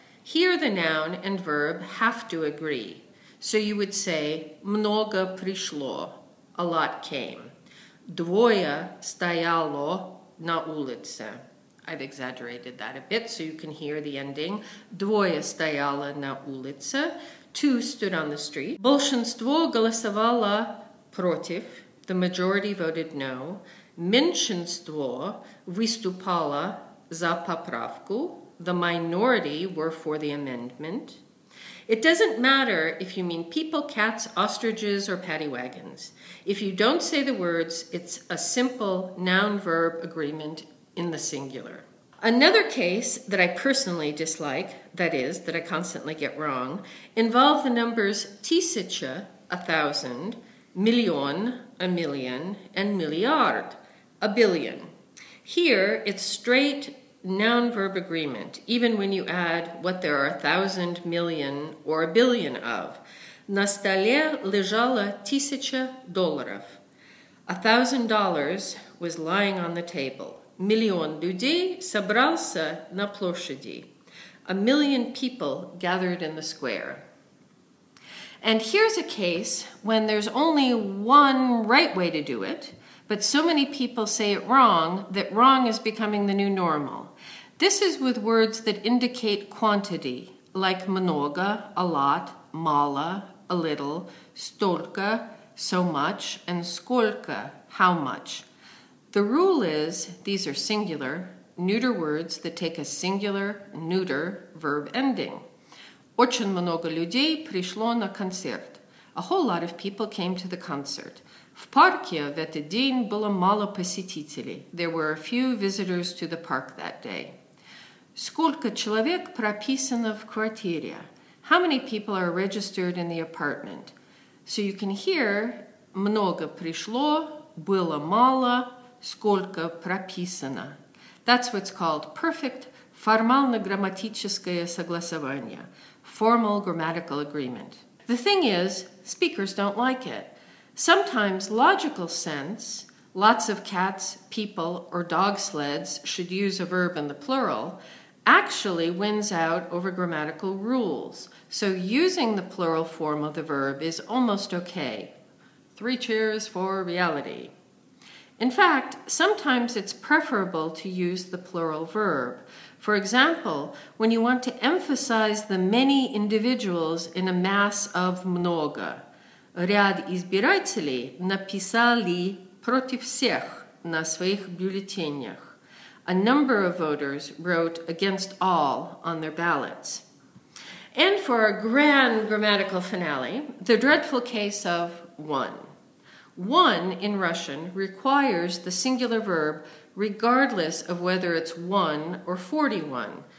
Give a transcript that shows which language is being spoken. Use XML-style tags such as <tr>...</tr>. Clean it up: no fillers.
<en>Here the noun and verb have to agree. So you would say</en> <ru>много пришло,</ru> <en>a lot came.</en> <ru>Двое стояло на улице.</ru> <en>I've exaggerated that a bit so you can hear the ending.</en> <ru>Двое стояло на улице.</ru> <en>Two stood on the street.</en> <ru>Большинство голосовало против.</ru> <en>The majority voted no.</en> <ru>Меньшинство выступало за поправку.</ru> <en>The minority were for the amendment. It doesn't matter if you mean people, cats, ostriches, or paddy wagons. If you don't say the words, it's a simple noun-verb agreement in the singular. Another case that I personally dislike, that is, that I constantly get wrong, involve the numbers тысяча, a thousand, миллион, a million, and миллиард, a billion. Here, it's straight noun-verb agreement, even when you add what there are a thousand, million, or a billion of.</en> <ru>На столе лежало тысяча долларов.</ru> <en>$1,000 was lying on the table.</en> <ru>Миллион людей собрался на площади.</ru> <en>A million people gathered in the square. And here's a case when there's only one right way to do it, but so many people say it wrong that wrong is becoming the new normal. This is with words that indicate quantity, like много, a lot, мало, a little, столько, so much, and сколько, how much. The rule is, these are singular, neuter words that take a singular, neuter verb ending.</en> <ru>Очень много людей пришло на концерт.</ru> <en>A whole lot of people came to the concert.</en> <ru>В парке в этот день было мало посетителей.</ru> <en>There were a few visitors to the park that day.</en> <ru>Сколько человек прописано в квартире?</ru> <en>How many people are registered in the apartment? So you can hear,</en> <ru>много пришло, было мало, сколько прописано.</ru> <en>That's what's called perfect</en> <ru>формально-грамматическое согласование,</ru> <en>formal grammatical agreement. The thing is, speakers don't like it. Sometimes logical sense, lots of cats, people, or dog sleds should use a verb in the plural, actually wins out over grammatical rules. So using the plural form of the verb is almost okay. Three cheers for reality. In fact, sometimes it's preferable to use the plural verb. For example, when you want to emphasize the many individuals in a mass of много.</en> <ru>Ряд избирателей написали против всех на своих бюллетенях.</ru> <en>A number of voters wrote against all on their ballots. And for our grand grammatical finale, the dreadful case of one. One in Russian requires the singular verb regardless of whether it's one or 41.</en>